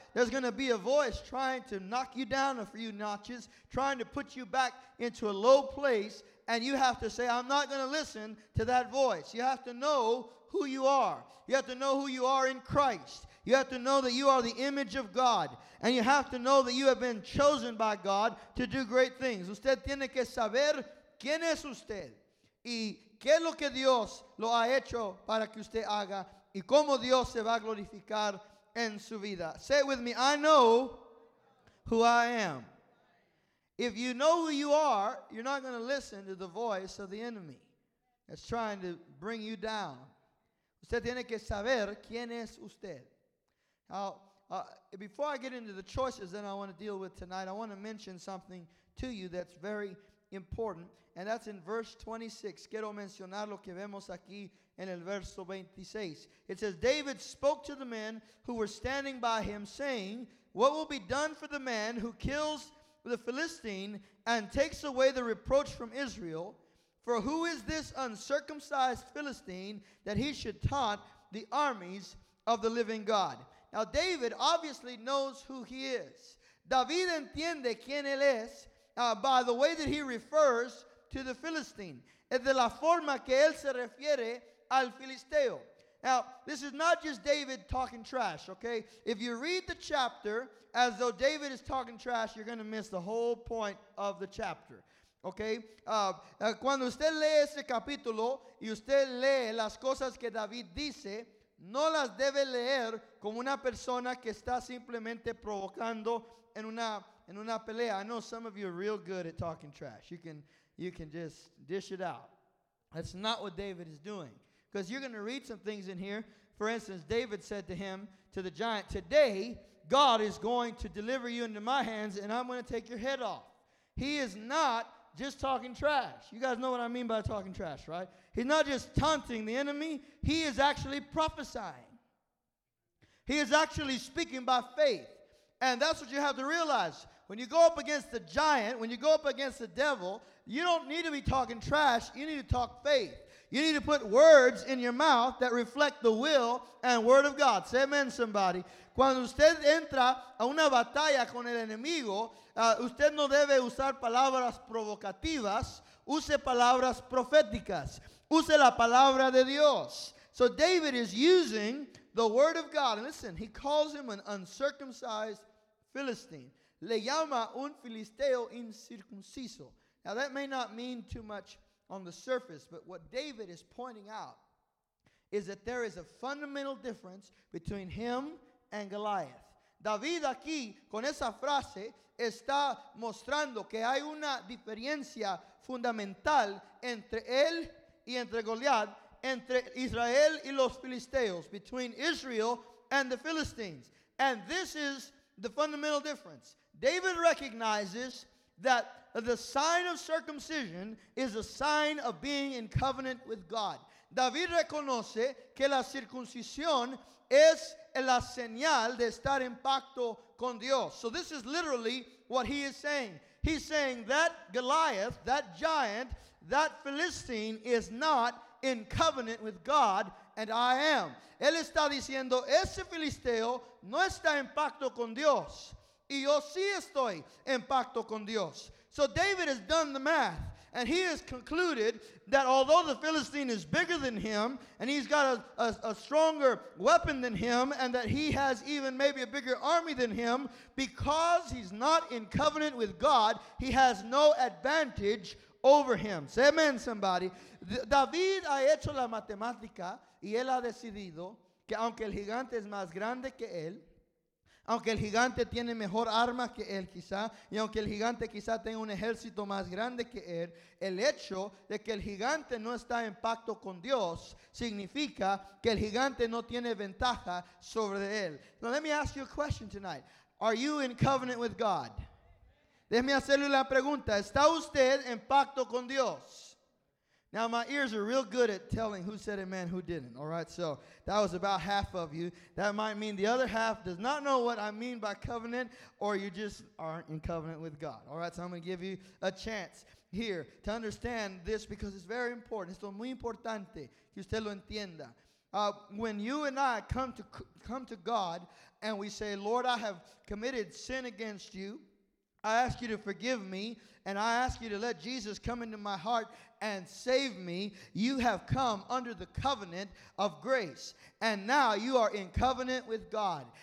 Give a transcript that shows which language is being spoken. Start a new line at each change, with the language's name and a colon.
English: There's going to be a voice trying to knock you down a few notches, trying to put you back into a low place, and you have to say, I'm not going to listen to that voice. You have to know who you are. You have to know who you are in Christ. You have to know that you are the image of God. And you have to know that you have been chosen by God to do great things.
Spanish: Usted tiene que saber quién es usted. Y qué es lo que Dios lo ha hecho para que usted haga. Y cómo Dios se va a glorificar en su vida.
English: Say it with me. I know who I am. If you know who you are, you're not going to listen to the voice of the enemy that's trying to bring you down.
Spanish: Usted tiene que saber quién es usted.
English: Now, before I get into the choices that I want to deal with tonight, I want to mention something to you that's very important, and that's in verse 26.
Spanish: Quiero mencionar lo que vemos aquí en el verso 26.
English: It says, David spoke to the men who were standing by him, saying, what will be done for the man who kills the Philistine and takes away the reproach from Israel? For who is this uncircumcised Philistine that he should taunt the armies of the living God? Now David obviously knows who he is.
Spanish: David entiende quién él es
English: by the way that he refers to the Philistine.
Spanish: Es de la forma que él se refiere al Filisteo.
English: Now, this is not just David talking trash, okay? If you read the chapter as though David is talking trash, you're going to miss the whole point of the chapter, okay?
Spanish: Cuando usted lee ese capítulo y usted lee las cosas que David dice, no las debe leer como una persona que está simplemente provocando en una pelea.
English: I know some of you are real good at talking trash. You can just dish it out. That's not what David is doing. Because you're going to read some things in here. For instance, David said to him, to the giant, today God is going to deliver you into my hands and I'm going to take your head off. He is not just talking trash. You guys know what I mean by talking trash, right? He's not just taunting the enemy. He is actually prophesying. He is actually speaking by faith. And that's what you have to realize. When you go up against the giant, when you go up against the devil, you don't need to be talking trash. You need to talk faith. You need to put words in your mouth that reflect the will and word of God. Say amen, somebody.
Spanish: Cuando usted entra a una batalla con el enemigo, usted no debe usar palabras provocativas. Use palabras proféticas. Use la palabra de Dios.
English: So David is using the word of God. And listen, he calls him an uncircumcised Philistine.
Spanish: Le llama un filisteo incircunciso.
English: Now that may not mean too much on the surface, but what David is pointing out is that there is a fundamental difference between him and Goliath.
Spanish: David aquí, con esa frase, está mostrando que hay una diferencia fundamental entre él y entre Goliath, entre Israel y los Filisteos,
English: between Israel and the Philistines. And this is the fundamental difference. David recognizes that the sign of circumcision is a sign of being in covenant with God.
Spanish: David reconoce que la circuncisión es la señal de estar en pacto con Dios.
English: So this is literally what he is saying. He's saying that Goliath, that giant, that Philistine is not in covenant with God, and I am.
Spanish: Él está diciendo, ese Filisteo no está en pacto con Dios. Y yo sí estoy en pacto con Dios.
English: So David has done the math, and he has concluded that although the Philistine is bigger than him, and he's got a stronger weapon than him, and that he has even maybe a bigger army than him, because he's not in covenant with God, he has no advantage over him. Say amen, somebody.
Spanish: David ha hecho la matemática, y él ha decidido que aunque el gigante es más grande que él, aunque el gigante tiene mejor arma que él quizá, y aunque el gigante quizá tenga un ejército más grande que él, el hecho de que el gigante no está en pacto con Dios significa que el gigante no tiene ventaja sobre él.
English: Now let me ask you a question tonight. Are you in covenant with God?
Spanish: Déjeme hacerle la pregunta. ¿Está usted en pacto con Dios?
English: Now, my ears are real good at telling who said amen, who didn't, all right? So that was about half of you. That might mean the other half does not know what I mean by covenant, or you just aren't in covenant with God, all right? So I'm going to give you a chance here to understand this because it's very important.
Spanish: Esto es muy importante que usted lo entienda.
English: When you and I come to God and we say, Lord, I have committed sin against you, I ask you to forgive me, and I ask you to let Jesus come into my heart and save me. You have come under the covenant of grace, and now you are in covenant with God.